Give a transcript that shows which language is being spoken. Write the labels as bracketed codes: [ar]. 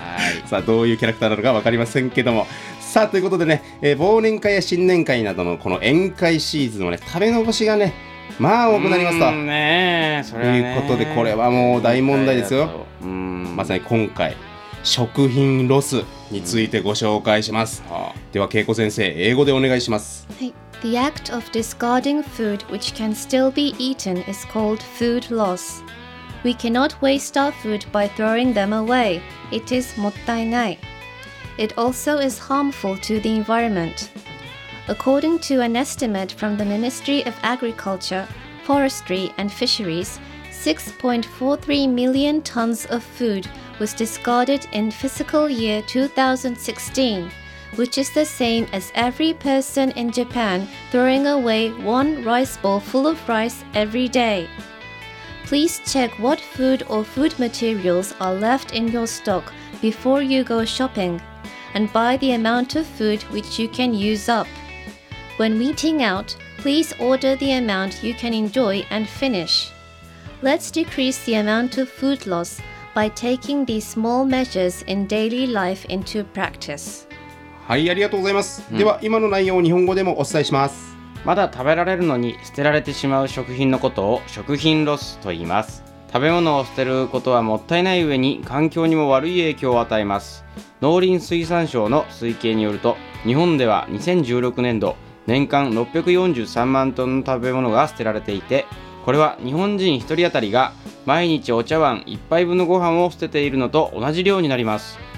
[ja] はい、さあ、どういうキャラクターなのか分かりませんけども、さあ、ということでね、忘年会や新年会などのこの宴会シーズンはね、食べ残しがね、まあ多くなりますと。ねえ、それはね、ということで、これはもう大問題ですよ。まさに今回、食品ロスについてご紹介します。では、恵子先生、英語でお願いします。はい。 [en] The act of discarding food which can still be eaten is called food loss. We cannot waste our food by throwing them away. It is [ja] もったいない。 [en] It also is harmful to the environment. According to an estimate from the Ministry of Agriculture, Forestry and Fisheries, 6.43 million tons of food was discarded in fiscal year 2016, which is the same as every person in Japan throwing away one rice bowl full of rice every day. Please check what food or food materials are left in your stock before you go shopping. And by the amount of food which you can use up. When eating out, please order the amount you can enjoy and finish. Let's decrease the amount of food loss by taking these small measures in daily life into practice. [ja] はい、ありがとうございます。では今の内容を日本語でもお伝えします。まだ食べられるのに捨てられてしまう食品のことを食品ロスと言います。食べ物を捨てることはもったいない上に環境にも悪い影響を与えます。農林水産省の推計によると、日本では2016年度年間643万トンの食べ物が捨てられていて、これは日本人1人当たりが毎日お茶碗1杯分のご飯を捨てているのと同じ量になります。